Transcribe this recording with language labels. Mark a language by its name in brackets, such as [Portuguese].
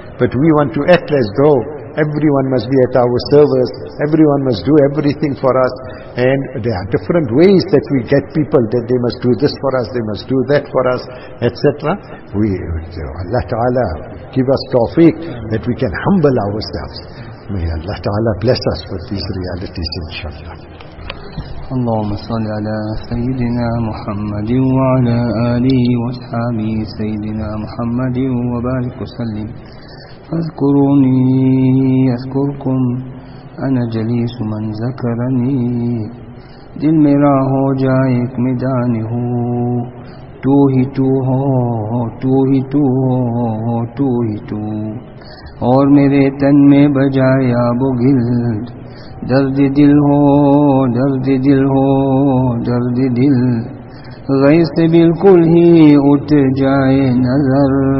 [English] But we want to act as though everyone must be at our service, everyone must do everything for us, and there are different ways that we get people, that they must do this for us, they must do that for us, etc. We, Allah Ta'ala give us tawfiq that we can humble ourselves. May Allah Ta'ala bless us with these realities, inshallah. [Arabic] اللهم صل على سيدنا محمد وعلى آله وصحبه سيدنا محمد وبارك وسلم. فاذكروني أذكركم أنا جليس من ذكرني [Urdu] دل میرا ہو جائے ایک میدان ہو تو ہی تو ہو تو ہی تو ہو تو ہی تو اور میرے تن میں بجائے آب و گرد درد دل ہو درد دل ہو درد دل غیظ سے بالکل ہی اٹھ جائے نظر